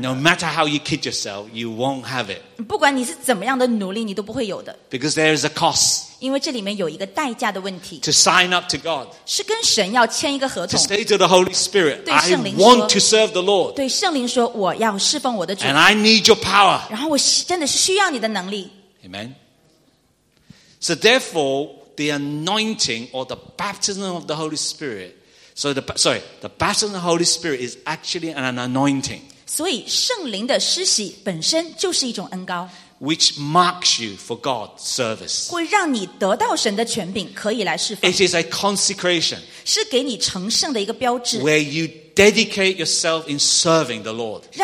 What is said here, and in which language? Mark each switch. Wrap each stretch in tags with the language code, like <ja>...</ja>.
<en>No matter how you kid yourself, you won't have it.</en> <zh>不管你是怎么样的努力，你都不会有的。</zh> <en>Because there is a cost.</en> <zh>因为这里面有一个代价的问题。</zh> <en>To sign up to God.</en> <zh>是跟神要签一个合同。</zh> <en>To say to the Holy Spirit, I want to serve the Lord.</en> <zh>对圣灵说，我要侍奉我的主。</zh> <en>And I need your power.</en> <zh>然后我真的是需要你的能力。</zh> <en>Amen. So therefore, the anointing or the baptism of the Holy Spirit. The baptism of the Holy Spirit is actually an anointing.</en> <zh>所以圣灵的施洗本身就是一种恩膏,</zh> <en>which marks you for God's service.</en> <zh>会让你得到神的权柄，可以来侍奉。</zh> <en>It is a consecration.</en> <zh>是给你成圣的一个标志,</zh> <en>where you dedicate yourself in serving the Lord.</en>